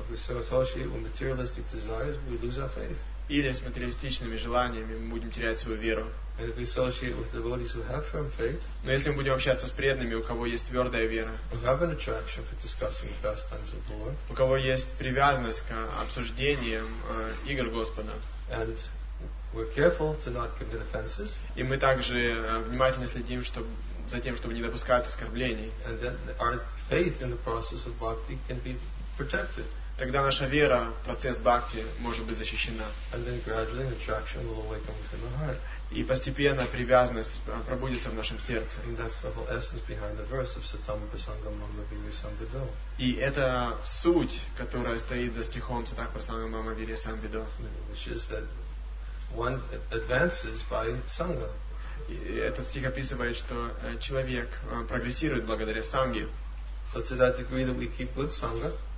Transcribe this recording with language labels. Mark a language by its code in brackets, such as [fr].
[en] if we associate with materialistic desires, we lose our faith. [ru] Или с материалистичными желаниями мы будем терять свою веру. [en] And if we associate with devotees who have firm faith, [ru] но если мы будем общаться с преданными, у кого есть твердая вера, [en] we have an attraction for discussing the pastimes of the Lord, [ru] у кого есть привязанность к обсуждениям игр Господа, [en] and we're careful to not commit offenses, [ru] и мы также внимательно следим за тем, чтобы не допускать оскорблений, [en] and then our faith in the process of bhakti can be protected. [ru] Тогда наша вера, процесс бхакти, может быть защищена. [en] And then gradually an attraction will awaken within the heart. [ru] И постепенно привязанность пробудится в нашем сердце. [en] And that's the whole essence behind the verse of Satama Prasangam Mama Virya Sambido. [ru] И это суть, которая стоит за стихом Satama Prasangam Mama Virya Sambido. [en] Which is that one advances by sangha. [ru] И этот стих описывает, что человек прогрессирует благодаря санге. [en] So to that degree that we keep good sangha.